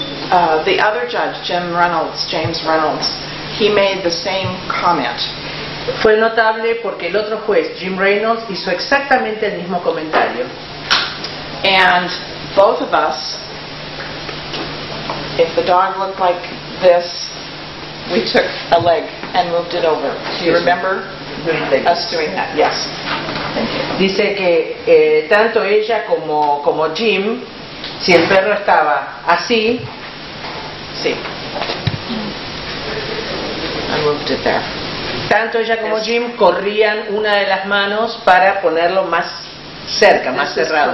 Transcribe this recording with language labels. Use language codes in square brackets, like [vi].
[en] The other judge, James Reynolds, he made the same comment. [es] Fue notable porque el otro juez, Jim Reynolds, hizo exactamente el mismo comentario. [en] And both of us, if the dog looked like this, we took a leg and moved it over. Do you remember? Us doing that, yes. [es] Dice que tanto ella como Jim, si el perro estaba así, [en] sí. I moved it there. [es] Tanto ella como Jim corrían una de las manos para ponerlo más cerca, más cerrado.